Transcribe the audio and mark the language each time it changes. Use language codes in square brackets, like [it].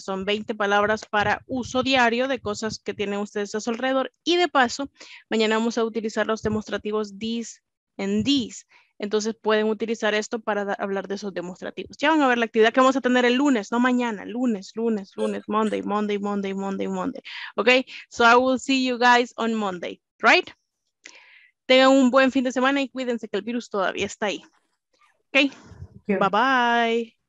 [es] Son 20 palabras para uso diario de cosas que tienen ustedes a su alrededor. Y de paso, mañana vamos a utilizar los demostrativos this and these. Entonces pueden utilizar esto para hablar de esos demostrativos. Ya van a ver la actividad que vamos a tener el lunes, no mañana, lunes, Monday. [en] Ok, so I will see you guys on Monday, right? [es] Tengan un buen fin de semana y cuídense que el virus todavía está ahí. [en] Ok, bye.